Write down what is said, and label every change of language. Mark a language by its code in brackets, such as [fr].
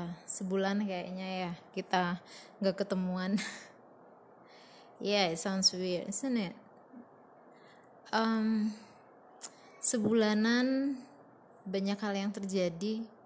[id] Sebulan kayaknya ya kita nggak ketemuan. [en] Yeah, it sounds weird, isn't it? [id] Sebulanan banyak hal yang terjadi.